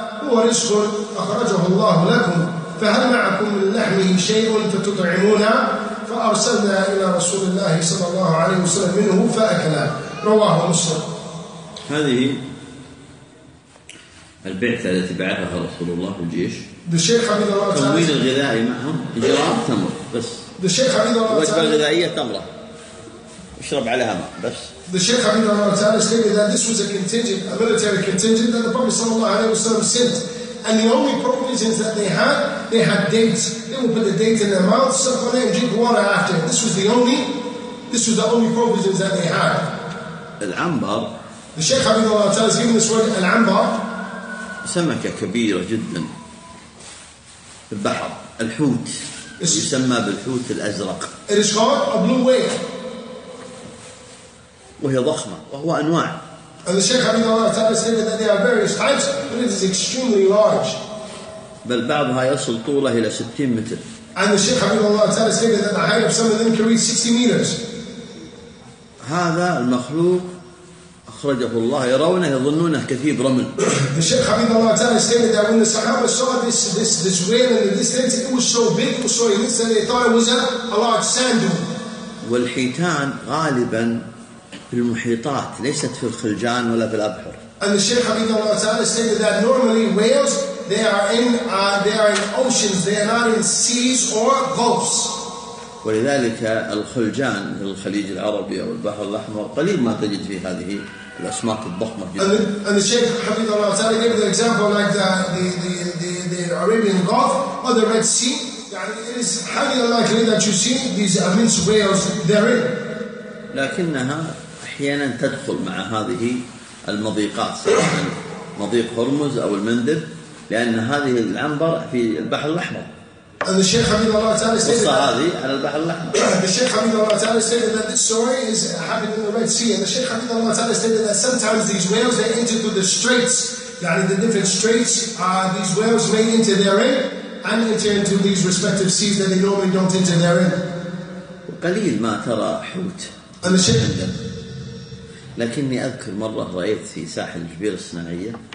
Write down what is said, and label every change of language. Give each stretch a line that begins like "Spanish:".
Arabic: هو رزق أخرجه الله لكم فهل معكم من لحمه شيء فتطعمونا فأرسلنا إلى رسول الله صلى الله عليه وسلم منه فأكلا رواه مسلم. هذه البعثة التي بعثها رسول الله والجيش تمويل الغذائي معهم جراب تمر بس وجبة غذائية تمرة اشرب عليها ماء بس.
English: The Shaykh Abid Allah Ta'ala stated that this was a contingent, a military contingent that the Prophet sallallahu alayhi wa sallam sent. And the only provisions that they had dates. They would put the date in their mouth, suck on it and drink water after. This was the only provisions that they had.
Arabic: العنبر.
English: The Shaykh Abid Allah Ta'ala is giving this word العنبر.
Arabic: سمكة كبيرة جدا في البحر الحوت يسمى بالحوت الأزرق.
English: It is called a blue whale.
Arabic: وهي ضخمة وهو أنواع.
English: And the Shaykh Abid Allah Ta'ala stated that there are various types, but it is extremely large.
Arabic: بل بعضها يصل طوله إلى 60 متر.
English: And the Shaykh Abid Allah Ta'ala stated that the height of some of them can reach 60 meters.
Arabic: هذا المخلوق أخرجه الله يرونه يظنونه كثيب رمل.
English: The Shaykh Abid Allah Ta'ala stated that when the Sahaba saw this whale in the distance, it was so big, it was so immense that they thought it was a large sand dune.
Arabic: والحيتان غالبا في المحيطات ليست في الخلجان ولا في الأبحر.
English: And the Shaykh Abid Allah Ta'ala stated that normally whales they are in oceans, they are not in seas or gulfs.
Arabic: ولذلك الخلجان في الخليج العربي أو البحر الأحمر قليل ما تجد فيه هذه الأسماك الضخمة جدا.
English: And the Shaykh Hafidh Allah Ta'ala gave the example like the Arabian Gulf or the Red Sea.
Arabic: يعني
English: it is highly unlikely that you see these immense whales therein.
Arabic: لكنها أحيانا تدخل مع هذه المضيقات سواء مضيق هرمز أو المندب لأن هذه العنبر في البحر الأحمر.
English: And the Shaykh Hafidh Allah Ta'ala stated that the Shaykh Hafidh Allah Ta'ala stated that this story is happening in the Red Sea. And the Shaykh Hafidh Allah Ta'ala stated that sometimes these whales they enter through the straits. That the different straits these whales may enter therein and enter into these respective seas that they normally don't enter therein.
Arabic: قليل ما ترى حوت.
English: And the Shaykh.
Arabic: لكني أذكر مرة رأيت في ساحل الجبيرة الصناعية